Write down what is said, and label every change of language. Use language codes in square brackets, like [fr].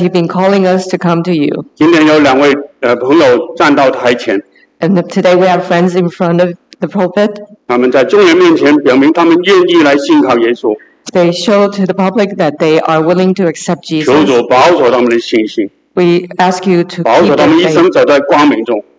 [en] you've been calling us to come to you. [zh] 今天有两位朋友站到台前。 [en] And today we have friends in front of the pulpit. [zh] 他们在众人面前表明他们愿意来信靠耶稣。 [en] They show to the public that they are willing to accept Jesus. [zh] 求主保守他们的信心。 [en] We ask you to keep their faith. [zh] 保守他们一生走在光明中。